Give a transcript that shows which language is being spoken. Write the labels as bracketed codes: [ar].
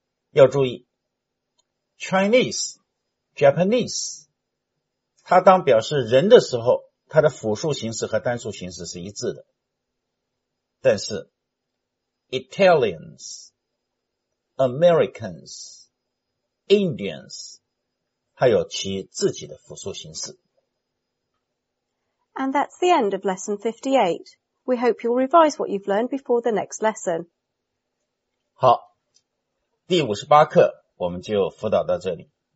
[zh] 要注意 ,Chinese, Japanese, 它当表示人的时候，它的复数形式和单数形式是一致的。但是 ,Italians, Americans, Indians, 它有其自己的复数形式。 [en] And that's the end of lesson 58. We hope you'll revise what you've learned before the next lesson. [zh] 好，第58课我们就辅导到这里。